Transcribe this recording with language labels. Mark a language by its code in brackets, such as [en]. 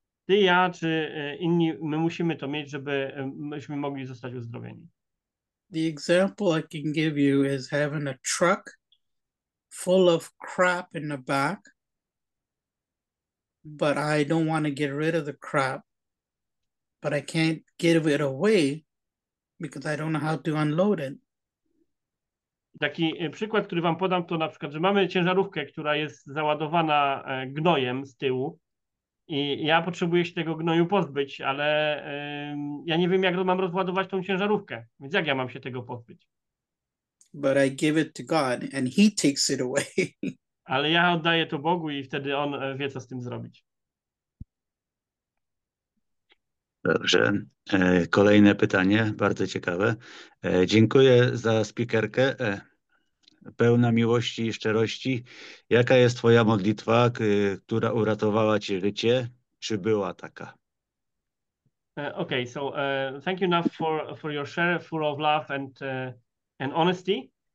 [pl] Ty, ja, czy inni, my musimy to mieć, żebyśmy mogli zostać uzdrowieni. [en] The example I can give you is having a truck full of crap in the back, but I don't want to get rid of the crap, but I can't give it away because I don't know how to unload it. [pl] Taki przykład, który wam podam, to na przykład, że mamy ciężarówkę, która jest załadowana gnojem z tyłu i ja potrzebuję się tego gnoju pozbyć, ale ja nie wiem, jak mam rozładować tą ciężarówkę, więc jak ja mam się tego pozbyć? [en] But I give it to God and he takes it away. [pl] Ale ja oddaję to Bogu i wtedy on wie, co z tym zrobić. Dobrze. Kolejne pytanie, bardzo ciekawe. Dziękuję za spikerkę. Pełna miłości i szczerości. Jaka jest twoja modlitwa, która uratowała ci życie? Czy była taka? [en] Okay, so thank you enough for your share, full of love and honesty.